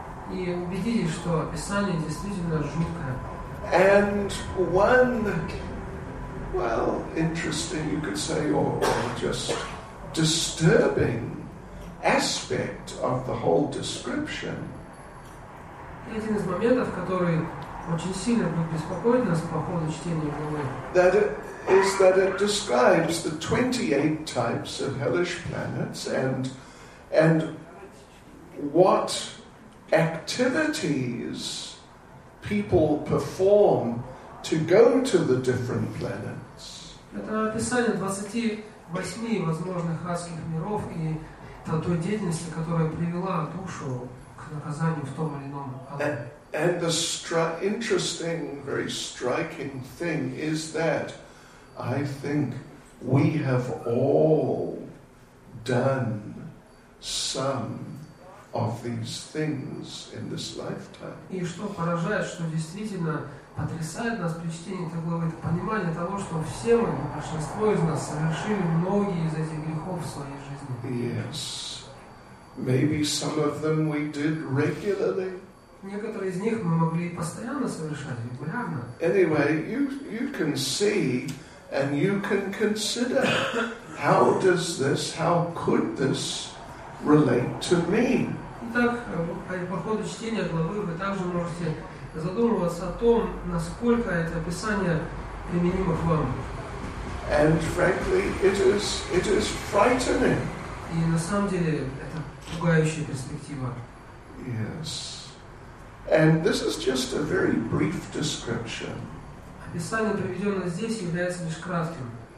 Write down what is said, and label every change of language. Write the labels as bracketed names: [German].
[Russian] И убедитесь, что описание действительно жуткое. [English] And one, well, interesting, you could say, or just disturbing aspect of the whole description. [Russian] Один из моментов, который очень сильно будет беспокоить нас по ходу чтения главы. [English] That it describes the 28 types of hellish planets and what activities people perform to go to the different planets. [Russian] Это описание 28 возможных адских миров и той деятельности, которая привела душу к наказанию в том или ином аду. [English] And the interesting, very striking thing is that I think we have all done some of these things in this lifetime. [Russian] И что поражает, что действительно потрясает нас при чтении этой главы, это понимание того, что все мы, большинство из нас, совершили многие из этих грехов в своей жизни. [English] Yes. Maybe some of them we did regularly. [Russian] Некоторые из них мы могли постоянно совершать, регулярно. [English] Anyway, you can see and you can consider how does this, how could this relate to me? [Russian] Итак, по ходу чтения главы вы также можете задумываться о том, насколько это описание применимо к вам. [English] And frankly, it is frightening. [Russian] И на самом деле это пугающая перспектива. [English] Yes. And this is just a very brief description. [Russian] Описание, приведенное здесь, является лишь кратким.